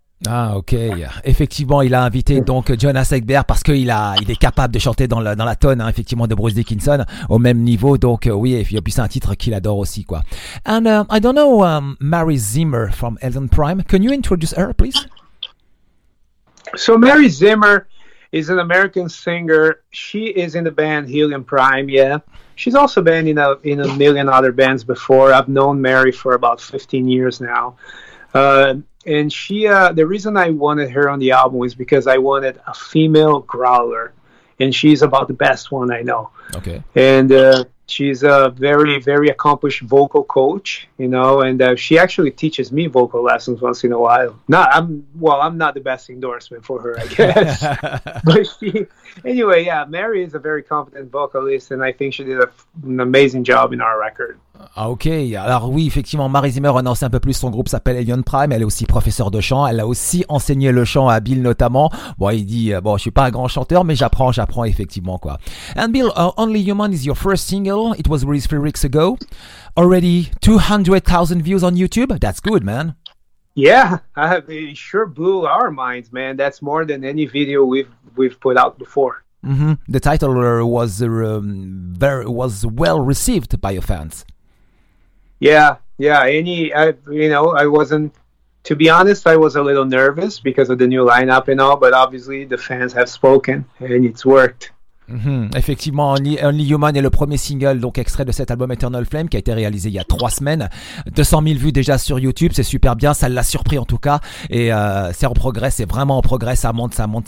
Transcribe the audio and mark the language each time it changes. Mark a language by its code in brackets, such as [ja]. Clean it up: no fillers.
[fr] Ah ok, effectivement il a invité donc Jonas Ekberg parce qu'il est capable de chanter dans la tonne, hein, effectivement, de Bruce Dickinson au même niveau, donc oui, et puis c'est un titre qu'il adore aussi quoi. [en] And I don't know, Mary Zimmer from Elton Prime, can you introduce her please? So Mary Zimmer is an American singer. She is in the band Helium Prime, yeah. She's also been in a million other bands before. I've known Mary for about 15 years now. And she, the reason I wanted her on the album is because I wanted a female growler. And she's about the best one I know. Okay. And she's a very, very accomplished vocal coach, you know, and she actually teaches me vocal lessons once in a while. I'm not the best endorsement for her, I guess. But she, anyway, yeah, Mary is a very competent vocalist, and I think she did an amazing job in our record. [fr] Ah ok, alors oui, effectivement, Mary Zimmer a annoncé un peu plus, son groupe s'appelle Alien Prime, elle est aussi professeure de chant, elle a aussi enseigné le chant à Bill notamment. Bon, il dit, bon, je suis pas un grand chanteur, mais j'apprends effectivement quoi. [en] And Bill, Only Human is your first single, it was released 3 weeks ago, already 200,000 views on YouTube, that's good man. Yeah, it sure blew our minds man, that's more than any video we've put out before. Mm-hmm. The title was well received by your fans. Yeah. I wasn't, to be honest, I was a little nervous because of the new lineup and all, but obviously the fans have spoken and it's worked. Mm-hmm. [fr] Effectivement, Only Human est le premier single donc extrait de cet album Eternal Flame qui a été réalisé il y a 3 semaines. 200 000 vues déjà sur YouTube, c'est super bien, ça l'a surpris en tout cas, et c'est en progrès, c'est vraiment en progrès, ça monte.